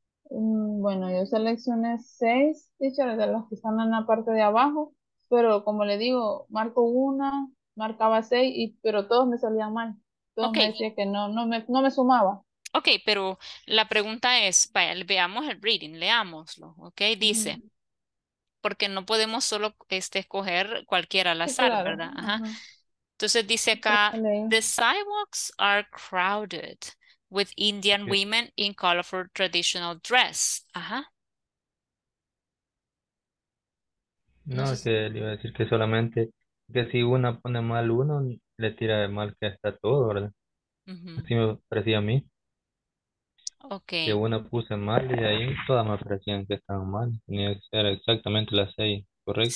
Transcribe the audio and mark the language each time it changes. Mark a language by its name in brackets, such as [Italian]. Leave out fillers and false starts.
[Spanish] Bueno, yo seleccioné 6, teacher, de las que están en la parte de abajo, pero como le digo, marco una, marcaba 6, y, pero todos me salían mal. Todos me decían que no me sumaba. Ok, pero la pregunta es, vaya, veamos el reading, leámoslo, ok, dice... Mm-hmm. Porque no podemos solo escoger cualquiera al azar, sí, claro. ¿Verdad? Ajá. Entonces dice acá, [English] the sidewalks are crowded with Indian women in colorful traditional dress. Ajá. [Spanish] No, no sé. Que le iba a decir que solamente, que si una pone mal uno, le tira de mal que está todo, ¿verdad? Uh-huh. Así me parecía a mí. [English] Okay. [Spanish] Que una puse mal y ahí todas me parecían que estaban mal. Tenía que ser exactamente las 6, ¿correcto?